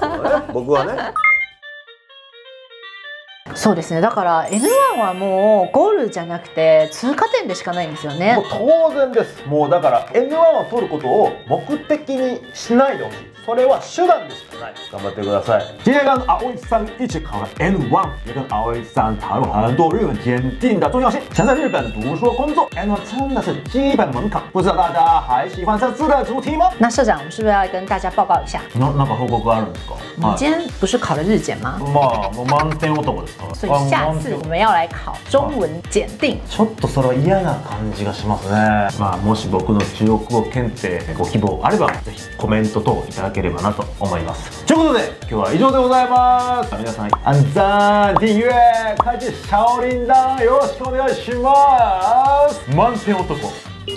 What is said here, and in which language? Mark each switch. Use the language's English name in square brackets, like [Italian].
[Japanese] けどね僕はね、そうですね。だから N1 はもうゴールじゃなくて通過点でしかないんですよね。もう当然です。もうだから N1 を取ることを目的にしないでほしい。それは手段でしかない。頑張ってください。 [Chinese] 今天跟葵さん一起考え N1， 也跟葵さん讨论很多日本检定的重要性。想在日本读书工作 ，N1 真的是基本门槛。不知道大家还喜欢这次的主题吗？那社长，我们是不是要跟大家报告一下？ [Japanese] 那个报告があるんですか？ [Chinese] 你今天不是考了日检吗？ [Japanese] まあ、もう満点男です。 [Chinese] 所以下次我们要来考中文检定。 [Japanese] ちょっとそれは嫌な感じがしますね。まあ、もし僕の中国語検定ご希望あればぜひコメント等いただければなと思います。ということで今日は以上でございます。皆さん、アンザーディユエカジシャオリンダンよろしくお願いします。満点男。